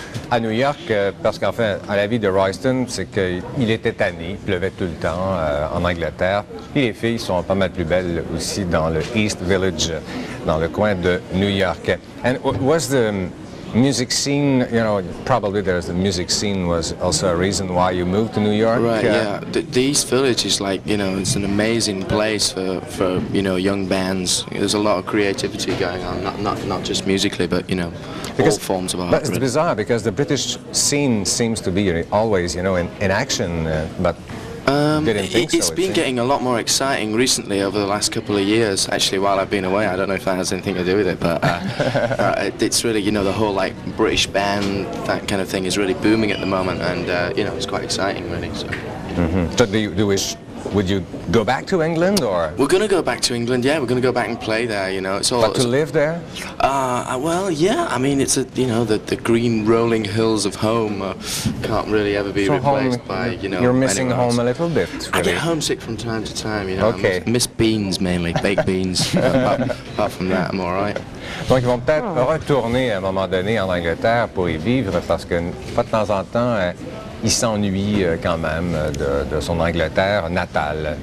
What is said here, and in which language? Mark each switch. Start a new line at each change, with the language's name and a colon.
French: À New York, parce qu'en fait, à la vie de Royston, c'est qu'il était tanné, il pleuvait tout le temps en Angleterre. Puis les filles sont pas mal plus belles aussi dans le
English: East Village,
French: dans le coin de New York.
English: And was the music scene, you know, probably there's the music scene was also a reason why you moved to New York? Right, yeah. The East Village is like, you know, it's an amazing place for, you know, young bands. There's a lot of creativity going on, not just musically, but, you know, because all forms of art. But it's bizarre because the British scene seems to be always, you know, in action, but it's been getting a lot more exciting recently over the last couple of years, actually, while I've been away. I don't know if that has anything to do with it, but it's really, you know, the whole, like, British band, that kind of thing is really booming at the moment, and, you know, it's quite exciting, really. So, mm-hmm. So do you wish... Would you go back to England, or...? We're going to go back to England, yeah. We're going to go back and play there, you know. Live there? Well, yeah. I mean, it's, you know, the green rolling hills of home can't really ever be so replaced home, by, you know... You're missing home a little bit, really. I get homesick from time to time, you know. Okay. I miss beans, mainly. Baked beans. apart from that, I'm all right.
French: Donc, ils vont peut-être retourner à un moment donné en Angleterre pour y vivre, parce que, pas de temps en temps... Il s'ennuie quand même de son Angleterre natale.